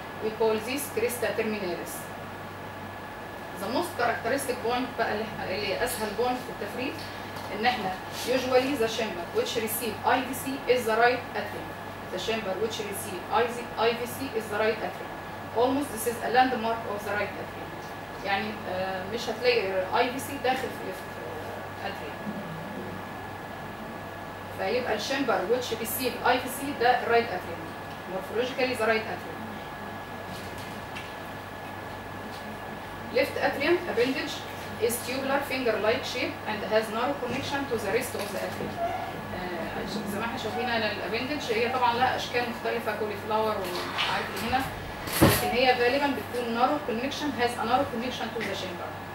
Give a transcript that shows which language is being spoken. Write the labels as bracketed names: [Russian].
[English] We call this crista terminalis. The most characteristic point [Arabic] بقى اللي أسهل [English] point [Arabic] في التفريق إن إحنا [English] usually the chamber which receive IVC is the right atrium. The chamber which receive IVC is the right atrium. Almost this is a landmark of the right atrium. [Arabic] يعني مش هتلاقي IVC داخل في left atrium. فيبقى الشامبر [English] which receive IVC ده right atrium. Morphologically the right atrium. Left atrium appendage is tubular finger like shape and has narrow connection to the rest of the atrium. [Arabic] زي ما احنا شايفين هنا الابندج هي طبعا لها اشكال مختلفه كولي فلاور وعارف هنا، لكن هي غالبا بتكون [English] narrow connection has a narrow connection to the chamber.